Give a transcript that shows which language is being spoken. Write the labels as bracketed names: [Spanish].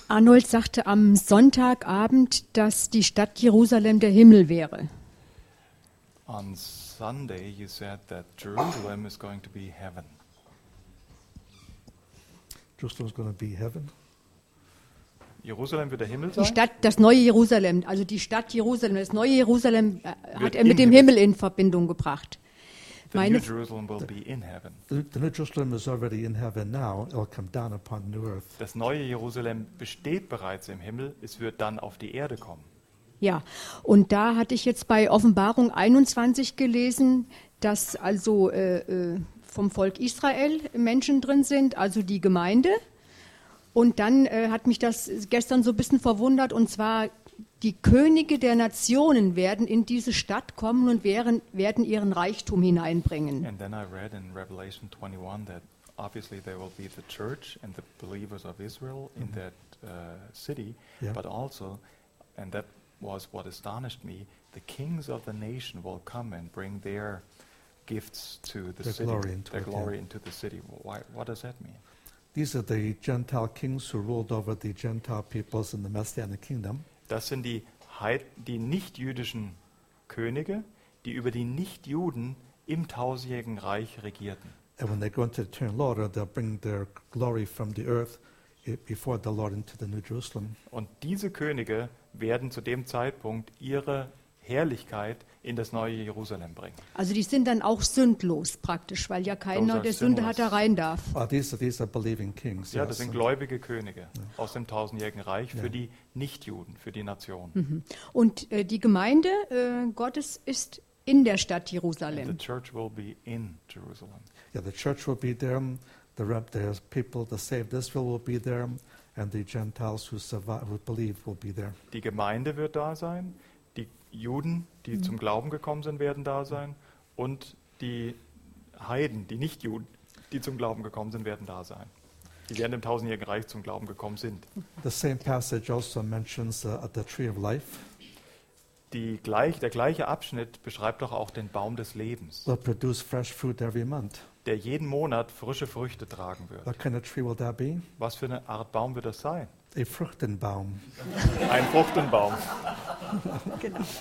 [German] Arnold sagte am Sonntagabend, dass die Stadt Jerusalem der Himmel wäre. [English] On Sunday you said that Jerusalem is going to be heaven. Jerusalem is going to be heaven. [German] Jerusalem wird der Himmel sein. Die Stadt, das neue Jerusalem, also die Stadt Jerusalem, das neue Jerusalem hat er mit dem Himmel in Verbindung gebracht. [English] The new Jerusalem will be in heaven. The new Jerusalem is already in heaven now. It'll come down upon the earth. [German] Das neue Jerusalem besteht bereits im Himmel. Es wird dann auf die Erde kommen. Ja, und da hatte ich jetzt bei Offenbarung 21 gelesen, dass also vom Volk Israel Menschen drin sind, also die Gemeinde. Und dann hat mich das gestern so ein bisschen verwundert, und zwar die Könige der Nationen werden in diese Stadt kommen und werden ihren Reichtum hineinbringen. [English] And then I read in Revelation 21 that obviously there will be the church and the believers of Israel in that city, but also, and that was what astonished me, the kings of the nation will come and bring their gifts to the their city, glory into their glory into the city. Why, what does that mean? These are the Gentile kings who ruled over the Gentile peoples in the Messianic kingdom. [German] Das sind die nicht-jüdischen Könige, die über die Nicht-Juden im tausendjährigen Reich regierten. [English] And when they go into the eternal order, they'll bring their glory from the earth before the Lord into the New Jerusalem. [German] Und diese Könige werden zu dem Zeitpunkt ihre Herrlichkeit in das neue Jerusalem bringen. Also die sind dann auch sündlos praktisch, weil ja keiner der Sünde hat, da rein darf. [English] Oh, these are believing kings. [German] Ja, das sind gläubige Könige aus dem tausendjährigen Reich für die Nichtjuden, für die Nation. Und die Gemeinde Gottes ist in der Stadt Jerusalem. [English] And the church will be in Jerusalem. Yeah, the church will be there. The people, the saved Israel will be there, and the Gentiles who survive, who believe, will be there. [German] Die Gemeinde wird da sein. Juden, die zum Glauben gekommen sind, werden da sein, und die Heiden, die Nicht-Juden, die zum Glauben gekommen sind, werden da sein. Die werden im tausendjährigen Reich zum Glauben gekommen sind. [English] The same passage also mentions the tree of life. [German] Der gleiche Abschnitt beschreibt doch auch den Baum des Lebens. [English] Will produce fresh fruit every month. [German] Der jeden Monat frische Früchte tragen wird. [English] What kind of tree will that be? [German] Was für eine Art Baum wird das sein? [English] A Fruchtenbaum. [German] Ein Fruchtenbaum. Genau.